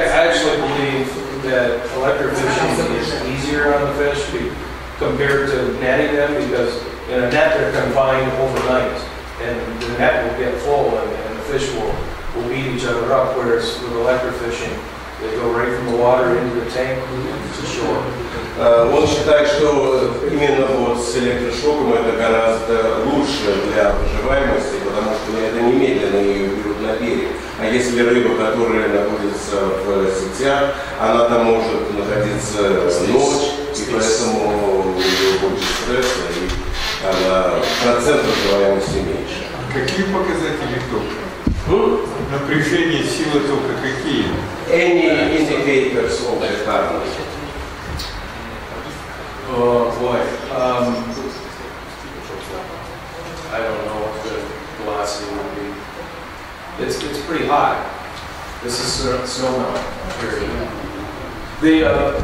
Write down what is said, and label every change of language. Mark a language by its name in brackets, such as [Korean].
[English] actually believe that electrofishing is easier on the fish compared to netting them, because in a net they're confined overnight and the net will get full and the fish will beat each other up, whereas with electrofishing they go right from the water into the tank to shore. [Russian] Он считает, что именно вот с электрошоком это гораздо лучше для выживаемости, потому что это немедленно ее берут на берег. А если рыба, которая находится в сетях, она там может находиться ночь, и поэтому у нее больше стресса, и она процент выживаемости меньше. Какие показатели тока? Напряжение силы тока какие? [English] Any indicators of the current? I don't know what the velocity would be. It's pretty high. This is snowmelt period.